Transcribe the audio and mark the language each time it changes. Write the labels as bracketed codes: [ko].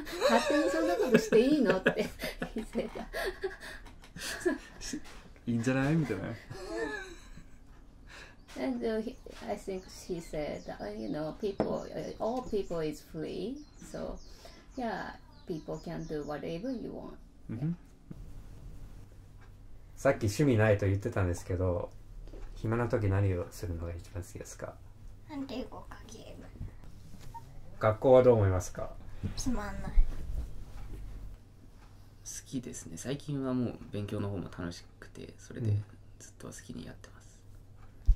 [ja] 勝手にそんなことしていいの? って言ってた。いいんじゃない? みたいな。 [en] And I think she said, you know, people, all people is free, so yeah, people can do whatever you want. Mm-hmm. [ja] さっき趣味ないと言ってたんですけど、暇な時何をするのが一番好きですか？なんて英語かゲーム。学校はどう思いますか？つまんない。好きですね。最近はもう勉強の方も楽しくて、それでずっと好きにやってます。うん、